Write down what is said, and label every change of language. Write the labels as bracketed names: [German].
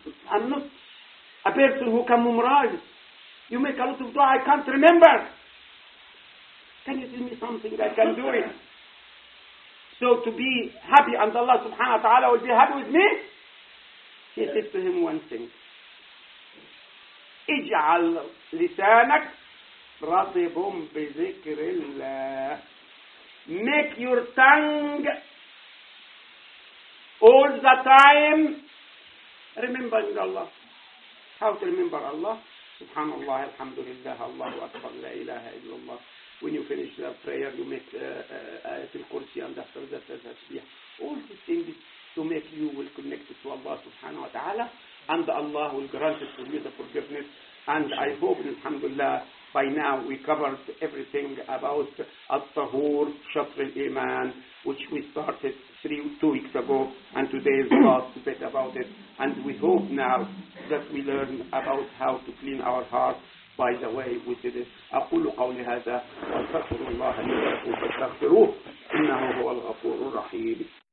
[English] I'm not a person who can memorize. You make a lot of dua, I can't remember. Can you tell me something I can do it? So to be happy and Allah subhanahu wa ta'ala will be happy with me? He said to him one thing. [Arabic] اجعل لسانك رطب بذكر الله. [English] Make your tongue all the time remembering Allah. How to remember Allah? [Arabic] سبحان الله الحمد لله الله أكبر لا إله إلا الله. [English] When you finish the prayer, you make آيات الكرسي and after that the تسبيح. All these things to make you will connect to Allah سبحانه وتعالى and Allah will grant it for you the forgiveness. And I hope, alhamdulillah, by now we covered everything about Al-Tahur, Shatr al-Iman, which we started 2 weeks ago, and today is the last bit about it. And we hope now that we learn about how to clean our hearts by the way we did it. [Arabic] أقول قولي هذا وأستغفر الله لي ولكم فاستغفروه إنه هو الغفور الرحيم.